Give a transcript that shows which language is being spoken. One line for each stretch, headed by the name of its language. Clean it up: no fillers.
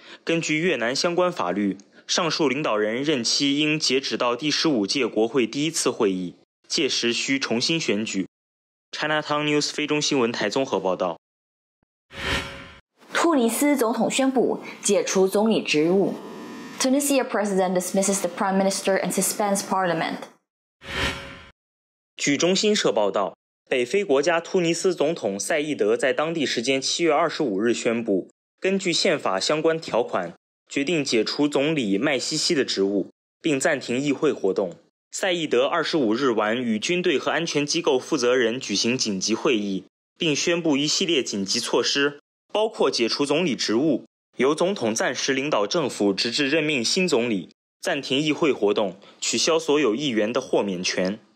Chinese: 根据越南相关法律，上述领导人任期应截止到第15届国会第一次会议，届时需重新选举。 Chinatown News 菲中新闻台综合报道。突尼斯总统宣布解除总理职务。
English: Tunisia President dismisses the Prime Minister and suspends Parliament.
Chinese: 据中新社报道，北非国家突尼斯总统赛义德在当地时间7月25日宣布，根据宪法相关条款，决定解除总理麦西西的职务，并暂停议会活动。赛义德25日晚与军队和安全机构负责人举行紧急会议，并宣布一系列紧急措施，包括解除总理职务，由总统暂时领导政府直至任命新总理，暂停议会活动，取消所有议员的豁免权。